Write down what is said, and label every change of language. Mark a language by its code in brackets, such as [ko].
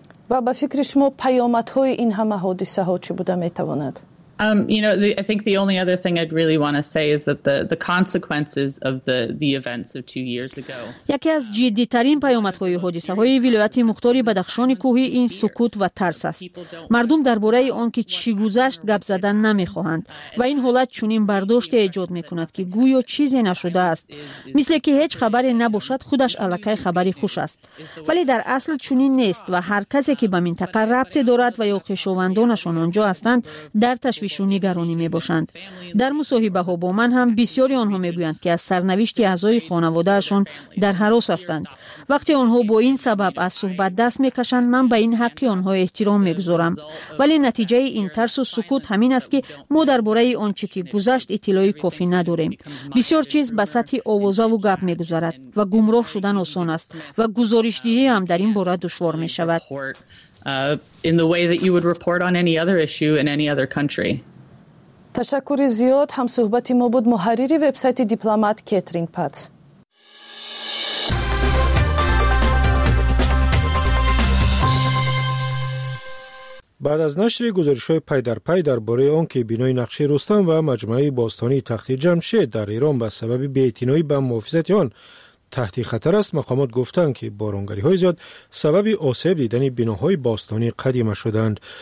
[fa] و به فکر شما پیامت های این همه حادثه ها چی بوده می تواند؟ [en] I think the only other thing I'd really want to say is that the consequences of the events of 2 years ago. [fa] یکی از جدی ترین پیامدهای حادثه‌های ولایت مختاری بدخشان کوهی این سکوت و ترس است. مردم درباره آن که چی گذشت گپ زدن نمی‌خواهند و این حالت چنین برداشت ایجاد می‌کند که گویا چیزی نشده است. مثل که هیچ خبری نباشد خودش علاقه خبری خوش است. ولی در اصل چنین نیست و هر کسی که به منطقه ربط دارد و یا خویشاوندانشان آنجا هستند در تشویش و نگرانی می باشند. در مصاحبه ها با من هم بسیاری آنها می گویند که از سرنوشت اعضای خانواده شان در هراس هستند. وقتی آنها با این سبب از صحبت دست می کشند من به این حقی آنها احترام می گذارم. ولی نتیجه این ترس و سکوت همین است که ما درباره آنچه که گذشت اطلاع کافی نداریم. بسیار چیز به سطح آوازه و گپ می گذارد و گمراه شدن آسان است و گزارش دهی هم در این باره دشوار می شود. [en] In the way that you would report on any other issue in any other country. [fa] تشکر زیاد هم صحبتی ما بود محرری وبسایت دیپلمات کترین پات. بعد از نشر گزارش‌های پی در پی درباره آن که بنای نقشه رستم و مجمعه باستانی تخت جمشید در ایران به سبب بی‌اعتنایی به محافظت آن تحت خطر است، مقامات گفتند که بارانگری های زیاد سبب آسیب دیدن بناهای باستانی قدیمه شدند.